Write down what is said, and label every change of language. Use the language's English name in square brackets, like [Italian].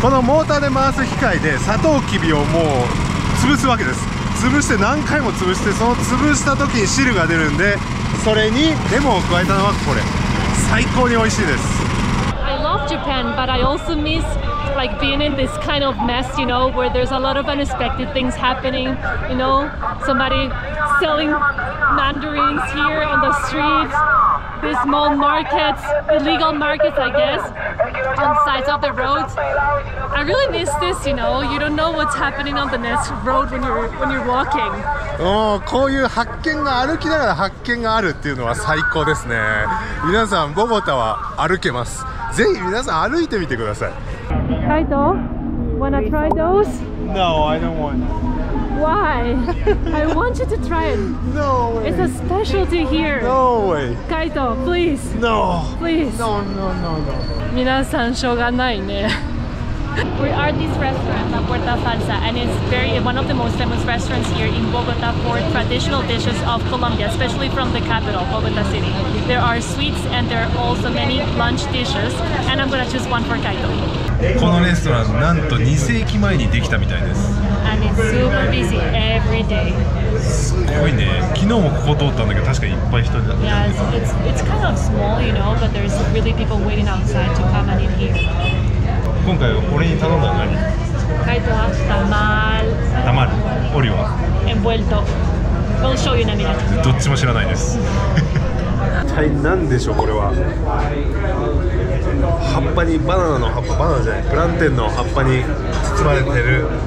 [Japanese] このモーターで回す機械でサトウキビをもう潰すわけです。潰して何回も潰して、その潰した時に汁が出るんで、それにレモンを加えたのはこれ。最高に美味しいです。 [English] I love Japan, but I also miss like being in this kind of mess, you know, where there's a lot of unexpected things happening, you know, somebody selling mandarins here on the streets. These small markets, illegal markets, I guess, on the sides of the roads. I really miss this, you know. You don't know what's happening on the next road when you're walking. [Japanese] Oh, こういう発見が、歩きながら発見があるっていうのは最高ですね。皆さん、ボゴタは歩けます。ぜひ皆さん歩いてみてください。 [English] Kaito, wanna try those? No, I don't want. Why? I want you to try it. No way. It's a specialty here. No way. Kaito, please. No. Please. No, no, no, no. [Japanese] 皆さん、しょうがないね。 [English] We are this restaurant, La Puerta Falsa, and it's one of the most famous restaurants here in Bogota for traditional dishes of Colombia, especially from the capital, Bogota City. There are sweets and there are also many lunch dishes, and I'm going to choose one for Kaito. [Japanese] このレストラン、なんと2世紀前にできたみたいです。 [English] And it's super busy every day. [Japanese] すごいね。昨日もここ通ったんだけど、確かにいっぱい人だった。 [English] Yes, it's kind of small, you know, but there's really people waiting outside to come and eat here. [Japanese] 今回俺に頼んだのは何？カイトはタマル。タマル。オリは？エンブエルト。この醤油なみだ。どっちも知らないです。一体何でしょうこれは？葉っぱにバナナの葉っぱ、バナナじゃない、プランテンの葉っぱに包まれてる。